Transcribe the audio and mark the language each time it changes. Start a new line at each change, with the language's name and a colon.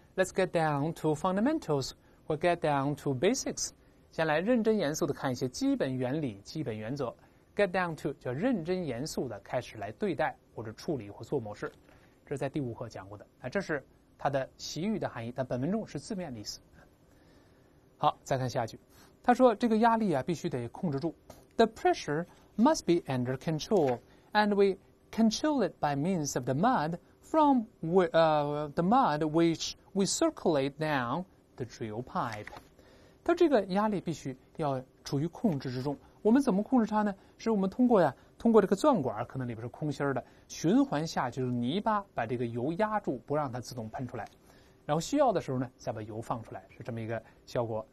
English: let's get down to fundamentals，
Chinese: 或
English: get down to basics，
Chinese: 先来认真严肃的看一些基本原理、基本原则。 Get down to 叫认真严肃的开始来对待或者处理或做某事，这是在第五课讲过的。啊，这是它的习语的含义，但本文中是字面的意思。好，再看下句，他说这个压力啊必须得控制住。
English: The pressure must be under control, and we control it by means of the mud from the mud which we circulate down the drill pipe.
Chinese: 它这个压力必须要处于控制之中，我们怎么控制它呢？是我们通过这个钻管，可能里边是空心的，循环下去，就是泥巴把这个油压住，不让它自动喷出来，然后需要的时候呢再把油放出来，是这么一个效果。